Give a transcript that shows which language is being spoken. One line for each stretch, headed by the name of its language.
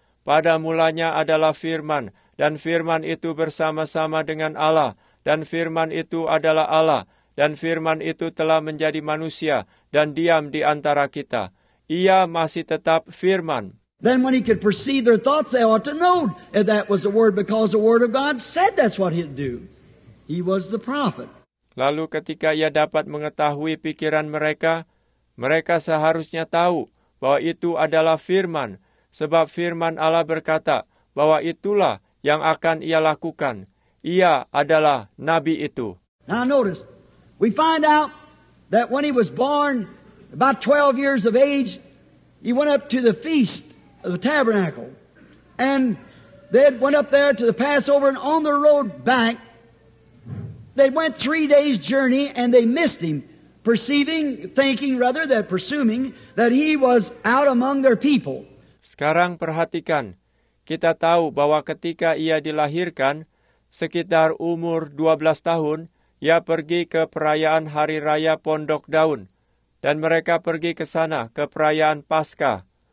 Indonesian: Pada mulanya adalah firman, dan firman itu bersama-sama dengan Allah, dan firman itu adalah Allah, dan firman itu telah menjadi manusia dan diam di antara kita. Ia masih tetap firman.
English: Then when he could perceive their thoughts, they ought to know that that was the word, because the word of God said that's what he'd do. He was the prophet.
Indonesian: Lalu ketika ia dapat mengetahui pikiran mereka, mereka seharusnya tahu bahwa itu adalah firman, sebab firman Allah berkata bahwa itulah yang akan ia lakukan. Ia adalah nabi itu.
English: Now notice, we find out that when he was born, about 12 years of age, he went up to the feast the tabernacle, and they had went up there to the Passover, and on the road back, they went 3 days' journey, and they missed him, presuming that he was out among their people.
Indonesian: Sekarang perhatikan, kita tahu bahwa ketika ia dilahirkan, sekitar umur 12 tahun, ia pergi ke perayaan Hari Raya Pondok Daun, dan mereka pergi ke sana, ke perayaan Paskah.